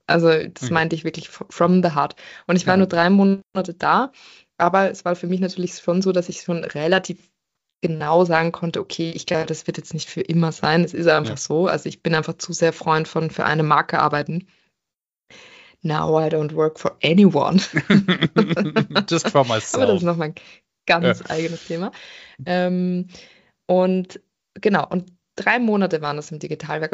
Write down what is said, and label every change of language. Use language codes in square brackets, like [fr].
[de] Also das Okay. meinte ich wirklich [en] from the heart. [de] Und ich war nur Ja. 3 Monate da, aber es war für mich natürlich schon so, dass ich schon relativ genau sagen konnte, okay, ich glaube, das wird jetzt nicht für immer sein. Es ist einfach so. Also ich bin einfach zu sehr Freund von für eine Marke arbeiten. [en] Now I don't work for anyone. Just for [de] Aber das ist [en] myself. [de] nochmal ein ganz eigenes Thema. Und genau, und 3 Monate waren das im Digitalwerk.